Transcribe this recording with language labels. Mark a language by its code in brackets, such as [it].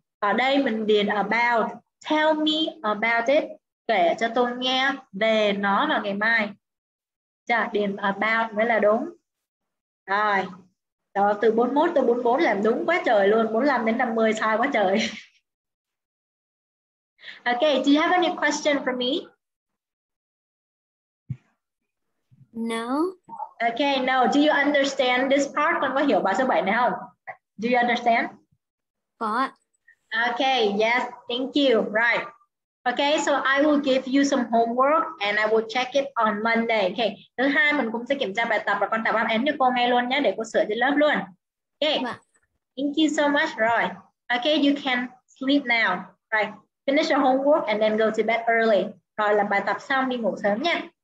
[vi] Ở đây mình điền about. [en] Tell me about it. [vi] Kể cho tôi nghe về nó vào ngày mai. Chờ, điền about mới là đúng. Rồi, đó, từ 41 tới 44 làm đúng quá trời luôn. 45 đến 50 sai quá trời. [en] Ok, do you have any question for me? No. Ok, no. Do you understand this part? [vi] Con có hiểu bài số 7 này không? [en] Do you understand? [vi] Có. [en] Okay, yes, thank you. Right. Okay, so I will give you some homework and I will check it on Monday. Okay. [vi] Thứ hai mình cũng sẽ kiểm tra bài tập và con đáp án cho cô ngay luôn nhé để cô sửa trên lớp luôn. [en] Okay. Thank you so much, Roy. Okay, you can sleep now. Right. Finish your homework and then go to bed early. [vi] Rồi làm bài tập xong đi ngủ sớm nha.